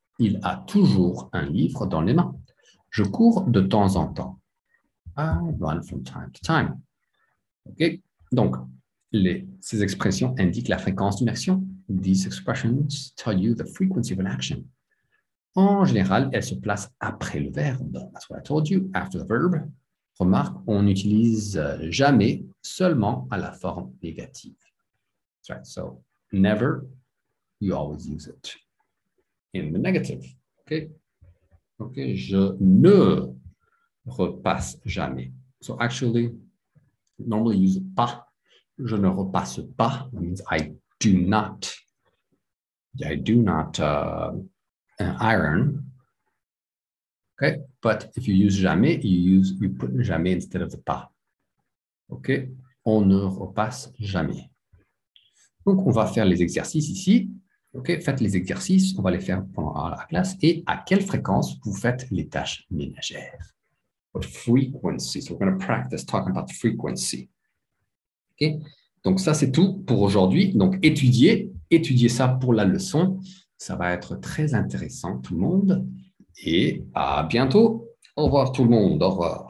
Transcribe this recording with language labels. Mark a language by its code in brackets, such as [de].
[fr] Il a toujours un livre dans les mains. Je cours de temps en temps. [en] I run from time to time. [fr] OK. Donc, ces expressions indiquent la fréquence d'une action. [en] These expressions tell you the frequency of an action. [fr] En général, elle se place après le verbe. [en] That's what I told you, after the verb. [fr] Remarque, on n'utilise jamais seulement à la forme négative. [en] That's right, so never, you always use it in the negative. [fr] Okay, je ne repasse jamais. [en] So actually, normally use pas. [fr] Je ne repasse pas, [en] that means I do not. I do not... an iron, okay? But if you use jamais, you put jamais instead of the pas, okay? [fr] On ne repasse jamais. Donc, on va faire les exercices ici, okay? Faites les exercices, on va les faire pendant la classe, et à quelle fréquence vous faites les tâches ménagères? [en] What frequency, so we're going to practice talking about frequency, okay? [fr] Donc, ça, c'est tout pour aujourd'hui. Donc, étudiez ça pour la leçon. Ça va être très intéressant, tout le monde. Et à bientôt. Au revoir, tout le monde. Au revoir.